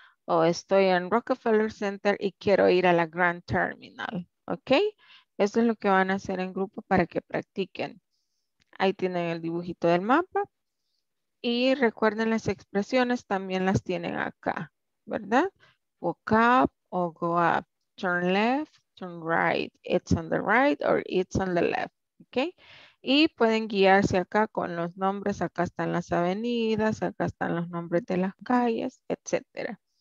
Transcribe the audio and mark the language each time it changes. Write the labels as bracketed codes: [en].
[es] O estoy en Rockefeller Center y quiero ir a la Grand Terminal. ¿Ok? Eso es lo que van a hacer en grupo para que practiquen. Ahí tienen el dibujito del mapa. Y recuerden las expresiones, también las tienen acá, ¿verdad? [en] Walk up o go up. Turn left, turn right. It's on the right or it's on the left. [es] ¿Ok? Y pueden guiarse acá con los nombres. Acá están las avenidas, acá están los nombres de las calles, etc.